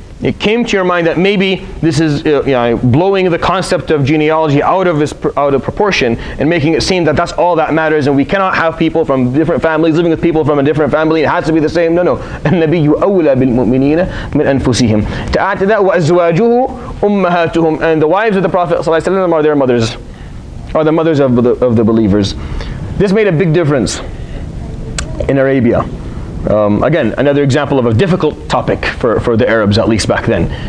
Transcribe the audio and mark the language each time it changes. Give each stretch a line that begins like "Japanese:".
English: it came to your mind that maybe this is blowing the concept of genealogy out of proportion and making it seem that that's all that matters, and we cannot have people from different families living with people from a different family, it has to be the same. No.
Arabic: النبي أولى بالمؤمنين من أنفسهم.
English: To add to that,
Arabic: وأزواجه أمهاتهم,
English: and the wives of the Prophet
Arabic: صلى الله عليه وسلم
English: are their mothers, are the mothers of the believers. This made a big difference in Arabia. Again, another example of a difficult topic for the Arabs, at least back then.